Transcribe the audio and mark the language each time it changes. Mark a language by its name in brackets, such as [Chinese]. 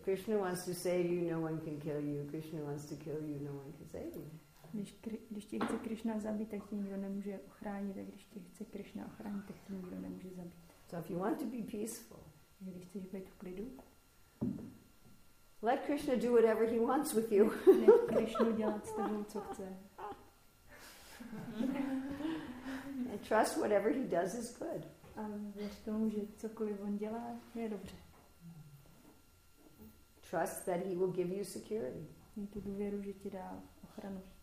[English] Krishna wants to save you, no one can kill you. Krishna wants to kill you, no one can save you. [Czech] Když tě chce Krishna zabít, tak tě nikdo nemůže ochránit, a když tě chce Krishna ochránit, tak tě nikdo nemůže zabít. [English] So if you want to be peaceful, [Czech] když chceš být v klidu, [English] let Krishna do whatever he wants with you. [Czech] Nech Krishna dělat s tebou, co chce. [English] And trust whatever he does is good. [Czech] A věř tomu, že cokoliv on dělá, je dobře. [English] Trust that he will give you security. [Czech] Mě tu důvěru, že ti dá ochranu.